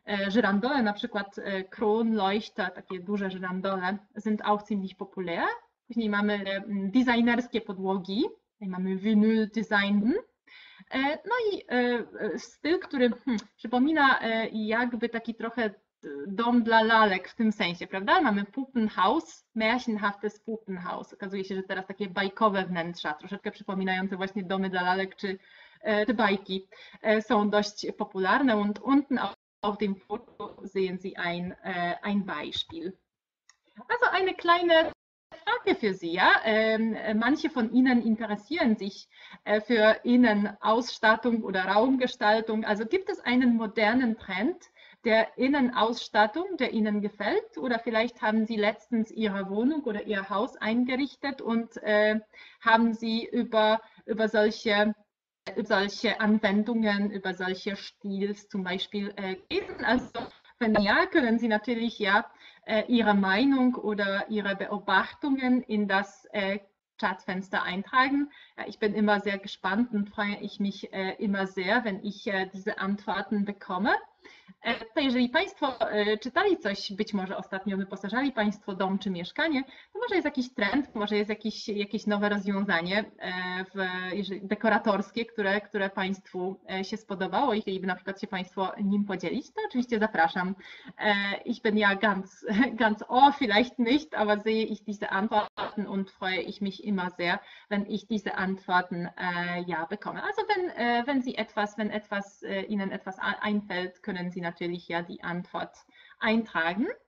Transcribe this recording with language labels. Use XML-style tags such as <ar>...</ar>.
<pl>Żyrandole, na przykład Kronleuchter, takie duże żyrandole,</pl> <de>sind auch ziemlich populär.</de> <pl>Później mamy designerskie podłogi, tutaj mamy vinyl design. No i styl, który przypomina jakby taki trochę dom dla lalek w tym sensie, prawda?</pl> <de>Mamy Puppenhaus, märchenhaftes Puppenhaus.</de> <pl>Okazuje się, że teraz takie bajkowe wnętrza, troszeczkę przypominające właśnie domy dla lalek czy bajki, są dość popularne.</pl> <de>Und unten auf dem Foto sehen Sie ein Beispiel. Also eine kleine Frage für Sie, ja? Manche von Ihnen interessieren sich für Innenausstattung oder Raumgestaltung. Also gibt es einen modernen Trend der Innenausstattung, der Ihnen gefällt? Oder vielleicht haben Sie letztens Ihre Wohnung oder Ihr Haus eingerichtet und haben Sie über solche Anwendungen, über solche Stils zum Beispiel gelesen? Also wenn ja, können Sie natürlich ja Ihre Meinung oder Ihre Beobachtungen in das Chatfenster eintragen. Ja, ich bin immer sehr gespannt und freue ich mich immer sehr, wenn ich diese Antworten bekomme.</de> <pl>To jeżeli Państwo czytali coś, być może ostatnio wyposażali Państwo dom czy mieszkanie, to może jest jakiś trend, może jest jakieś nowe rozwiązanie dekoratorskie, które Państwu się spodobało i chcieliby na przykład się Państwo nim podzielić, to oczywiście zapraszam.</pl> <de>Ich bin ja ganz ohr, vielleicht nicht, aber sehe ich diese Antworten und freue ich mich immer sehr, wenn ich diese Antworten ja bekomme. Also wenn etwas Ihnen etwas einfällt, können Sie natürlich ja die Antwort eintragen.</de>